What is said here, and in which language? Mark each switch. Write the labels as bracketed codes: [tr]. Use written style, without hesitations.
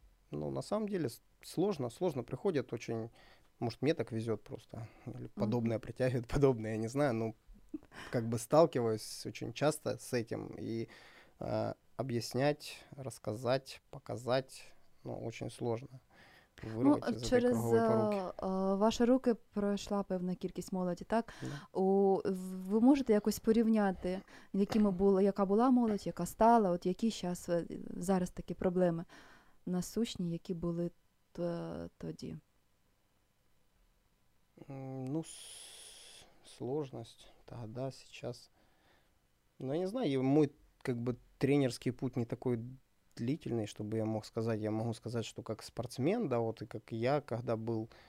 [ru] Ну, на самом деле, сложно приходят очень. Может, мне так везет просто. Или подобное притягивает подобное, я не знаю, но как бы сталкиваюсь очень часто с этим. И объяснять, рассказать, показать, ну, очень сложно. [uk] Вирвати, ну, через ваші руки пройшла певна кількість молоді, так? [en] Yeah. [uk] Ви можете якось порівняти, якими була, яка була молодь, яка стала, от які зараз, зараз такі проблеми насущні, які були тоді? [ru] Ну, сложність тогда, сейчас. Ну, я не знаю, мой как бы тренерський путь не такой длительный, чтобы я мог сказать. Я могу сказать, что как спортсмен, да, вот, и как я, когда был